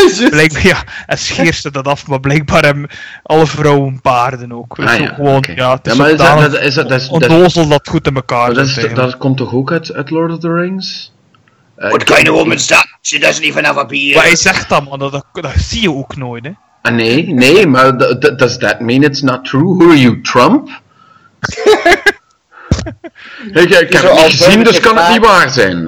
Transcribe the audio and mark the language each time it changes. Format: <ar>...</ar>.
<nl>Blijkbaar, ja, en scheert ze dat af, maar blijkbaar hebben alle vrouwen baarden ook. Ah, ja, gewoon, okay. Ja, het is, ja, is ontdozel dat goed in elkaar. Dat komt toch ook uit Lord of the Rings?</nl> <en>What kind of woman is that? She doesn't even have a beard.</en> <nl>Maar hij zegt dat, man, dat zie je ook nooit, hè. Nee, maar</nl> <en>does that mean it's not true? Who are you, Trump?</en> <nl>Ik heb het niet gezien, dus kan het niet waar zijn.</nl>